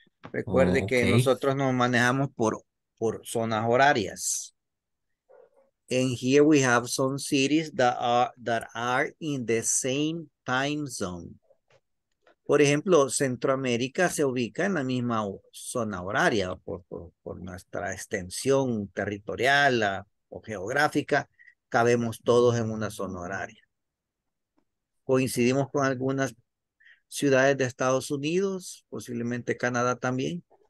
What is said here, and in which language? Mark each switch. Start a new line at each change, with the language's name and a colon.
Spanish: Recuerde que nosotros nos manejamos por zonas horarias.
English: And here we have some cities that are in the same time zone.
Spanish: Por ejemplo, Centroamérica se ubica en la misma zona horaria por nuestra extensión territorial o geográfica. Cabemos todos en una zona horaria. Coincidimos con algunas ciudades de Estados Unidos, posiblemente Canadá también.